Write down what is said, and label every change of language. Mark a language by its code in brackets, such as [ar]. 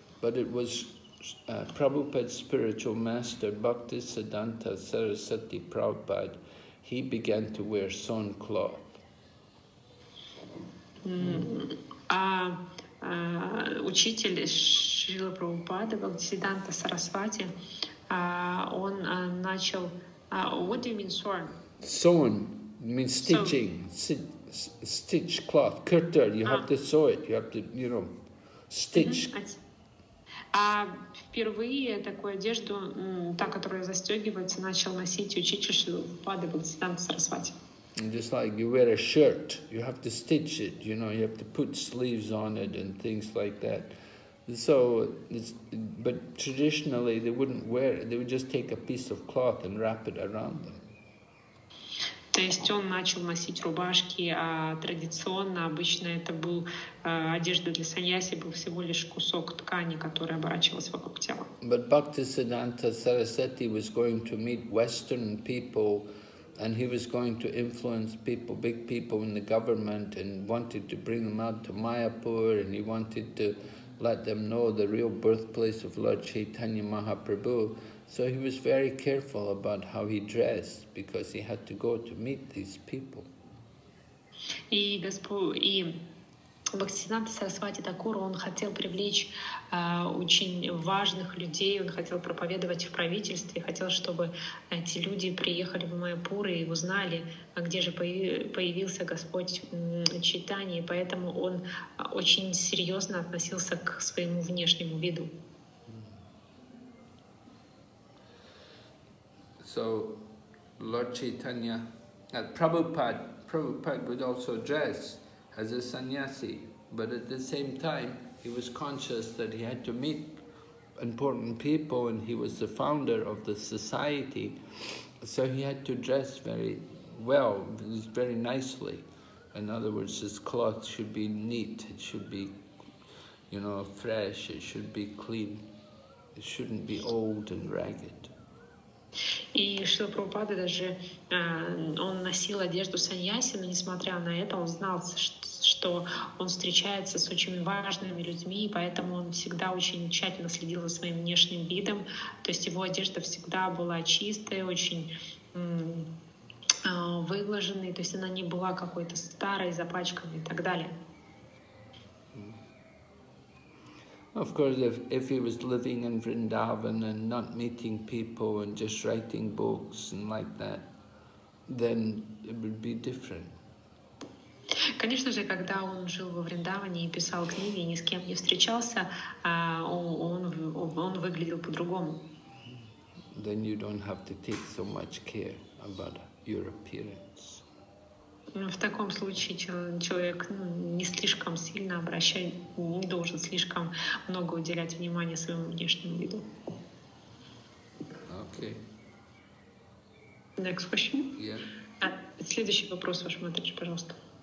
[en] But it was Prabhupada's spiritual master, Bhaktisiddhanta Sarasvati Prabhupada, he began to wear sewn cloth. [ru] Учитель Шрила Прабхупада, Бхактисиддханта Сарасвати, он начал... [en] what do you mean sewn? Sewn means stitching, stitch cloth, kirtar, you have to sew it, you have to, you know, stitch. [ru] Впервые такую одежду, та, которая застегивается, начал носить учитель Шрила Прабхупада, Бхактисиддханта Сарасвати. [en] Just like you wear a shirt, you have to stitch it, you know, you have to put sleeves on it and things like that. So, but traditionally they wouldn't wear it, they would just take a piece of cloth and wrap it around them. [ru] То есть он начал носить рубашки, а традиционно, обычно это был одежда для саньяси, был всего лишь кусок ткани, который оборачивался вокруг тела. [en] But Bhaktisiddhanta Sarasvati was going to meet Western people And he was going to influence people, big people in the government, and wanted to bring them out to Mayapur, and he wanted to let them know the real birthplace of Lord Chaitanya Mahaprabhu. So he was very careful about how he dressed, because he had to go to meet these people. [ru] И Господь, и Бхактисиддханта Сарасвати Такур, он хотел привлечь очень важных людей, он хотел проповедовать в правительстве, хотел, чтобы эти люди приехали в Майяпур и узнали, где же появился Господь Чайтанья, поэтому он очень серьезно относился к своему внешнему виду. [en] So, Lord Chaitanya, Prabhupada would also dress as a sannyasi, but at the same time, he was conscious that he had to meet important people, and he was the founder of the society, so he had to dress very well, very nicely. In other words, his cloth should be neat, it should be, you know, fresh, it should be clean, it shouldn't be old and ragged. [ru] И Шрила Прабхупада даже, он носил одежду саньяси, но несмотря на это, он знал, что он встречается с очень важными людьми, и поэтому он всегда очень тщательно следил за своим внешним видом. То есть его одежда всегда была чистая, очень выглаженная, то есть она не была какой-то старой, запачканной и так далее. [en] Of course, if he was living in Vrindavan and not meeting people and just writing books and like that, then it would be different. [ru] Конечно же, когда он жил во Вриндаване и писал книги, и ни с кем не встречался, он выглядел по-другому. [en] Then you don't have to take so much care about your appearance. [ru] В таком случае человек не слишком сильно обращает, не должен слишком много уделять внимания своему внешнему виду. [en] Okay. Next question. Yeah. [ru] Следующий вопрос, Ваша Матрич, пожалуйста.